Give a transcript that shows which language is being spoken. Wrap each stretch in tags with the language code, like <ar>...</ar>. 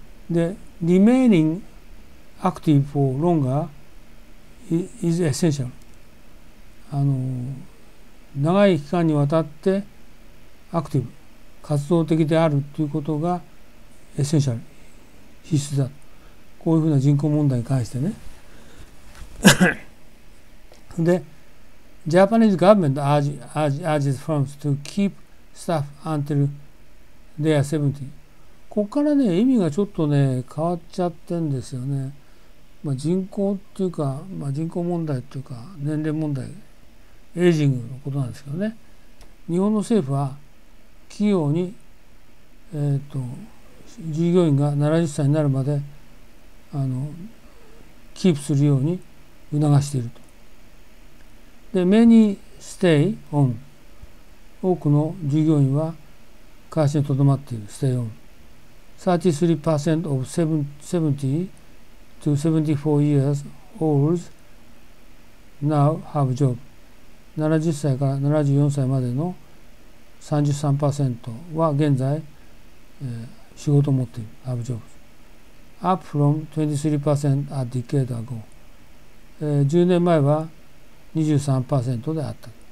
<ja>で</ja> <en>remaining active for longer is essential、</en> <ja>長い期間にわたってアクティブ、活動的であるということがエッセンシャル、必須だ。こういうふうな人口問題に関してね。</ja> <en>で、Japanese government urges firms to keep staff until they are 70.</en> <ja>ここからね、意味がちょっとね、変わっちゃってんですよね。まあ、人口っていうか、まあ、人口問題っていうか、年齢問題、エイジングのことなんですけどね。日本の政府は、企業に、従業員が70歳になるまでキープするように促していると。で</ja> <en>Many stay on、</en> <ja>多くの従業員は会社にとどまっている。</ja> <en>Stay on 33% of 70 to 74 years olds now have job。</en> <ja>70歳から74歳までの33% は現在、仕事を持っている、</ja> <en>have jobs up from 23% a decade ago、</en> <ja>10年前は 23% であった。</ja>